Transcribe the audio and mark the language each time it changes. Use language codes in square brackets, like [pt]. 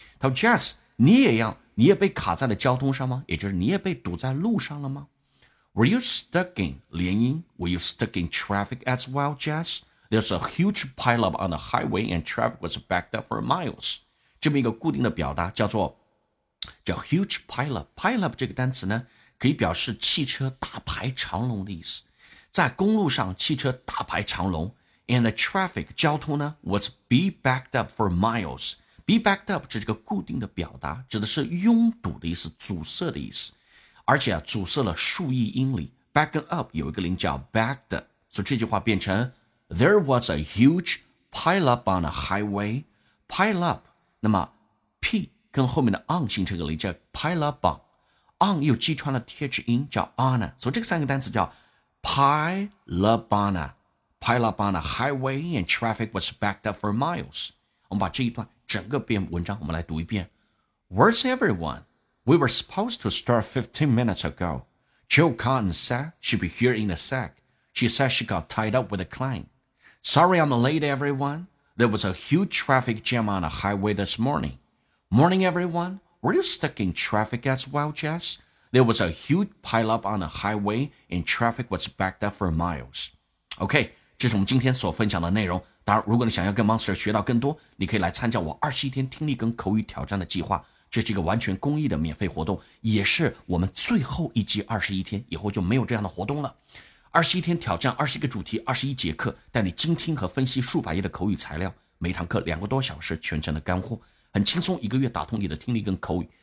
[zh] 他说 Jess 你也一样，你也被卡在了交通上吗？也就是你也被堵在路上了吗？ [en] Were you stuck in [zh] 连音， [en] Were you stuck in traffic as well, Jess? There's a huge pileup on the highway and traffic was backed up for miles. [zh] 这么一个固定的表达叫做叫 [en] huge pileup。 [zh] pileup 这个单词呢可以表示汽车大排长龙的意思，在公路上汽车大排长龙。 [en] And the traffic [zh] 交通呢 [en] was be backed up for miles。 be backed up [zh] 这是个固定的表达，指的是拥堵的意思，阻塞的意思，而且、阻塞了数亿英里。 back up 有一个连叫 backed， 所以这句话变成 [en] There was a huge pileup on the highway。 [zh] pileup 那么 p 跟后面的 on 形成个连叫 pileup on， on 又击穿了 th 音叫 on， 所以这三个单词叫 [en] Pileup on a highway and traffic was backed up for miles. [zh] 我们把这一段整个篇文章我们来读一遍。 [en] Where's everyone? We were supposed to start 15 minutes ago. Joe Kahn said she'd be here in a sec. She said she got tied up with a client. Sorry I'm late, everyone. There was a huge traffic jam on the highway this morning. Morning, everyone. Were you stuck in traffic as well, Jess? There was a huge pileup on the highway, and traffic was backed up for miles. [zh] OK, 这是我们今天所分享的内容。当然，如果你想要跟 Monster 学到更多，你可以来参加我21天听力跟口语挑战的计划。这是一个完全公益的免费活动，也是我们最后一季21天，以后就没有这样的活动了。 21天挑战20个主题21节课，带你精听和分析数百页的口语材料，每堂课2个多小时，全程的干货，很轻松，一个月打通你的听力跟口语。